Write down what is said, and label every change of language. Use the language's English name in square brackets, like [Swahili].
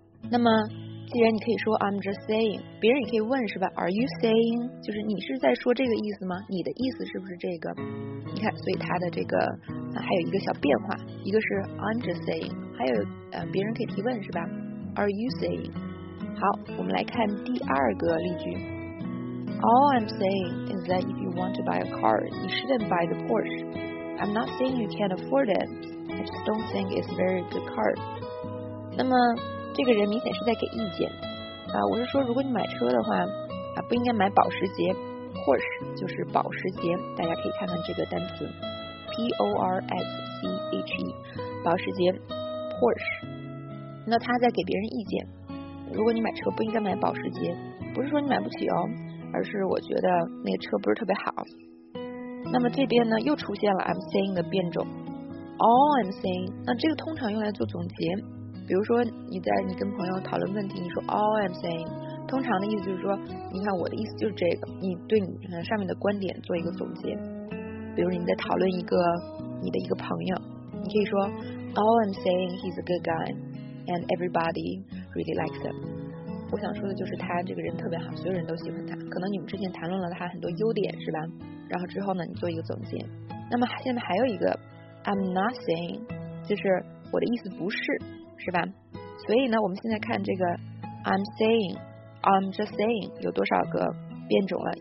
[Chinese] 那么既然你可以说 [English] I'm just saying， [Chinese] 别人也可以问是吧， [English] Are you saying， [Chinese] 就是你是在说这个意思吗，你的意思是不是这个。你看，所以它的这个还有一个小变化，一个是 [English] I'm just saying， [Chinese] 还有别人可以提问是吧， [English] Are you saying。 [Chinese] 好，我们来看第二个例句。 [English] All I'm saying is that if you want to buy a car, you shouldn't buy the Porsche. I'm not saying you can't afford it. I just don't think it's a very good car. [Chinese] 那么这个人明显是在给意见。我是说如果你买车的话不应该买保时捷。 Porsche 就是保时捷，大家可以看看这个单词。 P-O-R-S-C-H-E, 保时捷 Porsche。那他在给别人意见。如果你买车不应该买保时捷。不是说你买不起哦。而是我觉得那个车不是特别好。那么这边呢又出现了 [English] I'm saying [Chinese] 的变种， [English] All I'm saying， [Chinese] 那这个通常用来做总结。比如说你跟朋友讨论问题，你说 [English] All I'm saying， [Chinese] 通常的意思就是说你看我的意思就是这个，你对你上面的观点做一个总结。比如你在讨论一个你的一个朋友，你可以说 [English] All I'm saying he's a good guy and everybody really likes him。 [Chinese] 我想说的就是他这个人特别好，所有人都喜欢他，可能你们之前谈论了他很多优点是吧，然后之后呢你做一个总结。那么现在还有一个 [English] I'm not saying， [Chinese] 就是我的意思不是是吧。所以呢我们现在看这个 [English] I'm saying I'm just saying [Chinese] 有多少个变种了。